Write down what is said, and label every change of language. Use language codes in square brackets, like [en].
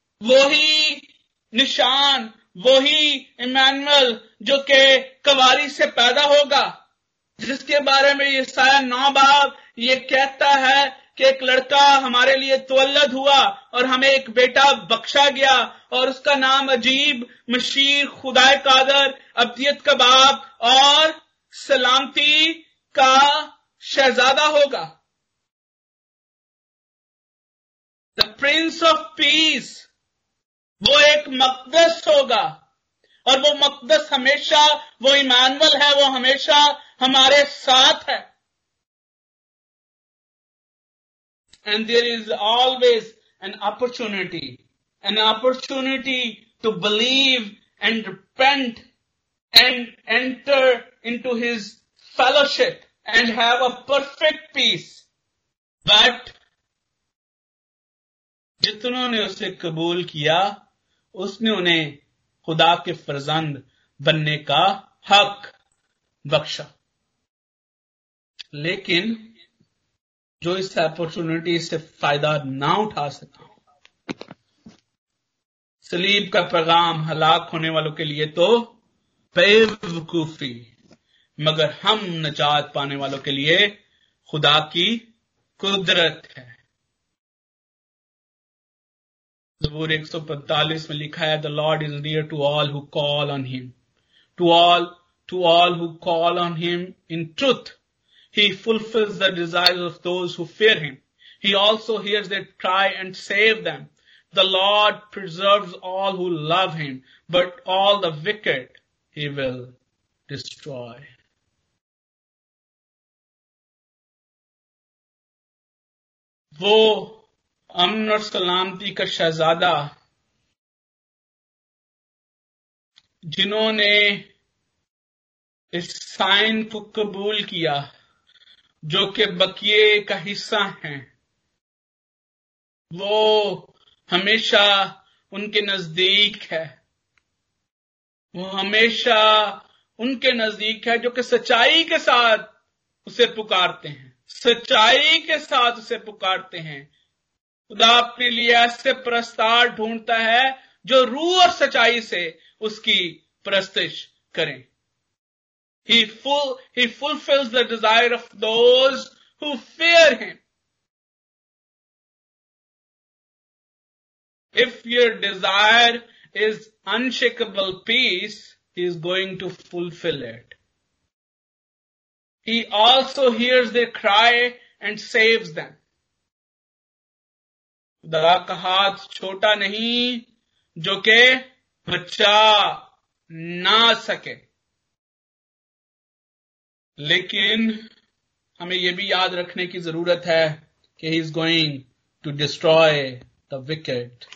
[ur] وہی نشان, وہی ایمانوئل جو کہ کواری سے پیدا ہوگا, جس کے بارے میں یسعیاہ 9 باب یہ کہتا ہے کہ ایک لڑکا ہمارے لیے تولد ہوا اور ہمیں ایک بیٹا بخشا گیا, اور اس کا نام عجیب مشیر, خدا قادر, ابدیت کا باپ اور سلامتی کا شہزادہ ہوگا. [en] The Prince of Peace, [ur] وہ ایک مقدس ہوگا, اور وہ مقدس ہمیشہ, وہ ایمانوئل ہے, وہ ہمیشہ ہمارے ساتھ ہے. [en] And there is always an opportunity to believe and repent and enter into his fellowship and have a perfect peace. [ur] But jitno ne use qabool kiya usne unhe khuda ke farzand banne ka haq baksha. Lekin جو اس opportunity سے فائدہ نہ اٹھا سکا, صلیب کا پیغام ہلاک ہونے والوں کے لیے تو بے وقوفی, مگر ہم نجات پانے والوں کے لیے خدا کی قدرت ہے. زبور 145 میں لکھا ہے, [en] The Lord is near to all who call on him, to all who call on him in truth. He fulfills the desires of those who fear him. He also hears their cry and saves them. The Lord preserves all who love him, but all the wicked he will destroy. [ur] Wo amn aur salamti ka shahzada jinhone اس sign کو قبول کیا جو کہ بقیے کا حصہ ہیں. وہ ہمیشہ ان کے نزدیک ہے, وہ ہمیشہ ان کے نزدیک ہے جو کہ سچائی کے ساتھ اسے پکارتے ہیں, سچائی کے ساتھ اسے پکارتے ہیں. خدا اپنے لیے ایسے پرستار ڈھونڈتا ہے جو روح اور سچائی سے اس کی پرستش کریں. [en] He fulfills the desire of those who fear him. If your desire is unshakable peace, he is going to fulfill it. He also hears their cry and saves them. [ur] خدا کا ہاتھ چھوٹا نہیں جو کہ بچا نہ سکے. لیکن ہمیں یہ بھی یاد رکھنے کی ضرورت ہے کہ [en] He is going to destroy the wicked.